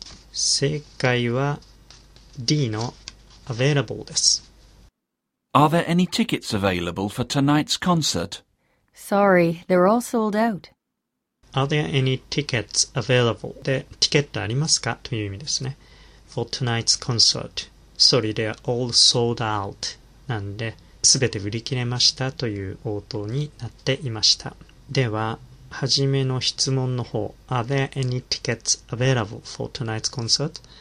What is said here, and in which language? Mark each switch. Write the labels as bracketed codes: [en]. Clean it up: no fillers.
[ja] 正解は D の available です。 [en] Are there any tickets available for tonight's concert? Sorry, they're all sold out. Are there any tickets available? [ja] で、チケットありますかという意味ですね。 [en] For tonight's concert. Sorry, they are all sold out. [ja] なんで、すべて売り切れましたという応答になっていました。では、はじめの質問の方。 [en] Are there any tickets available for tonight's concert?